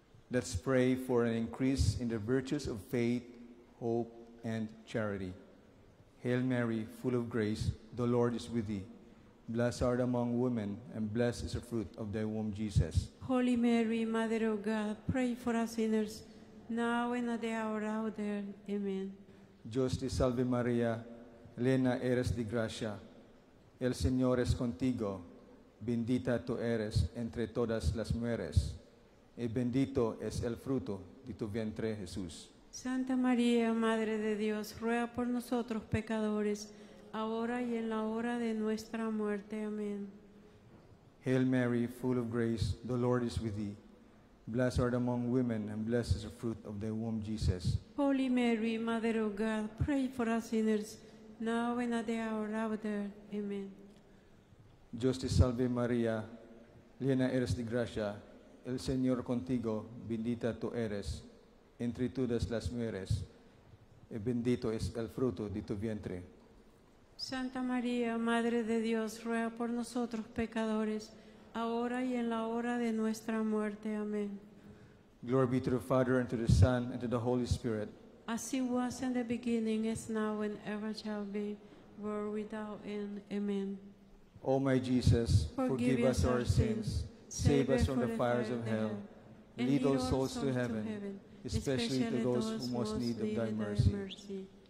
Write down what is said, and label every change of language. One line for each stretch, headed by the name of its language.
English: Let's pray for an increase in the virtues of faith, hope, and charity. Hail Mary, full of grace, the Lord is with thee. Blessed art among women, and blessed is the fruit of thy womb, Jesus. Holy Mary, Mother of God, pray for us sinners, now and at the hour of our death. Amen.
Spanish: Dios te salve María, llena eres de gracia, el Señor es contigo, bendita tú eres entre todas las mujeres, y bendito es el fruto de tu vientre, Jesús. Santa María, Madre de Dios, ruega por nosotros pecadores, ahora y en la hora de nuestra muerte. Amén.
English: Hail Mary, full of grace, the Lord is with thee. Blessed art among women, and blessed is the fruit of thy womb, Jesus. Holy Mary, Mother of God, pray for us sinners, now and at the hour of our death. Amen.
Spanish: Dios salve Maria, llena eres de gracia, el Señor contigo, bendita tú eres, entre todas las mujeres, y bendito es el fruto de tu vientre. Santa María, Madre de Dios, ruega por nosotros pecadores, ahora y en la hora de nuestra muerte. Amén.
English: Glory be to the Father, and to the Son, and to the Holy Spirit. As it was in the beginning, is now, and ever shall be, world without end. Amen. O my Jesus, forgive us our sins, save us from the fires of hell, and lead all souls to heaven, especially to those who most need of thy mercy.